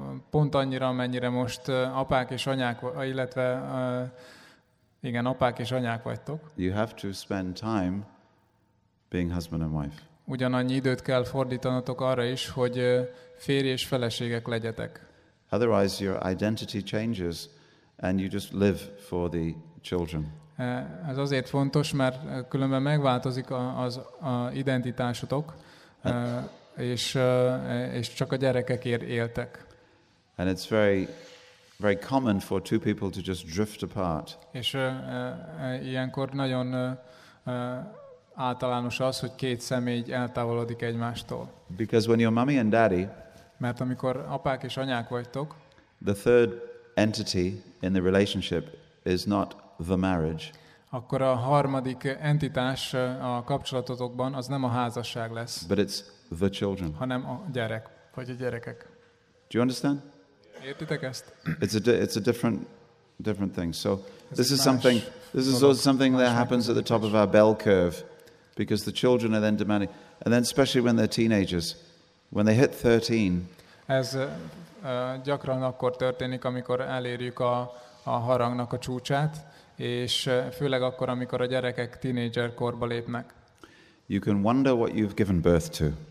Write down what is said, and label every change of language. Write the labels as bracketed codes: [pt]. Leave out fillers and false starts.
[hu] pont annyira, amennyire most apák és anyák, illetve igen, apák és anyák vagytok. [en] You have to spend time being husband and wife. [hu] Ugyanannyi időt kell fordítanatok arra is, hogy férj és feleségek legyetek. [en] Otherwise your identity changes and you just live for the children. [hu] Ez azért fontos, mert különben megváltozik az identitásotok, és csak a gyerekekért éltek. [en] And it's very common for two people to just drift apart. [hu] És ilyenkor nagyon általános az, hogy két személy eltávolodik egymástól. [en] Because when you're mommy and daddy, [hu] mert amikor apák és anyák vagytok, [en] the third entity in the relationship is not the marriage. [hu] Akkor a harmadik entitás a kapcsolatotokban az nem a házasság lesz. [en] But it's the children. [hu] Hanem a gyerek, vagy a gyerekek. [en] Do you understand? [hu] Értitek ezt? [en] It's a different thing. So this is something that happens at the top of our bell curve, because the children are then demanding, and then especially when they're teenagers, when they hit 13. [hu] Ez gyakran akkor történik, amikor elérjük a harangnak a csúcsát, és főleg akkor, amikor a gyerekek tínédzser korba lépnek. [en] You can wonder what you've given birth to.